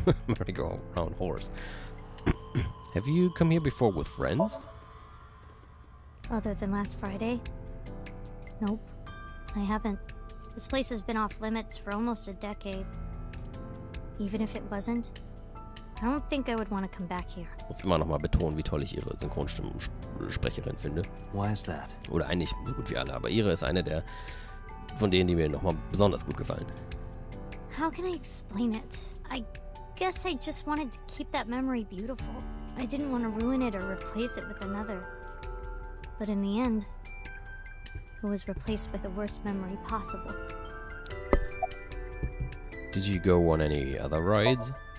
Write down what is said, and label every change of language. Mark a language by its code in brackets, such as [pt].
[en] Merry-go-round horse. Have you come here before with friends? Other than last Friday? Nope, I haven't. This place has been off limits for almost a decade. Even if it wasn't, I don't think I would want to come back here. [de] Ich muss immer noch mal betonen, wie toll ich ihre Synchronstimmensprecherin finde. [en] Why is that? [de] Oder eigentlich so gut wie alle, aber ihre ist eine der von denen, die mir noch mal besonders gut gefallen. [en] How can I explain it? I guess I just wanted to keep that memory beautiful. I didn't want to ruin it or replace it with another. But in the end, it was replaced with the worst memory possible. Did you go on any other rides?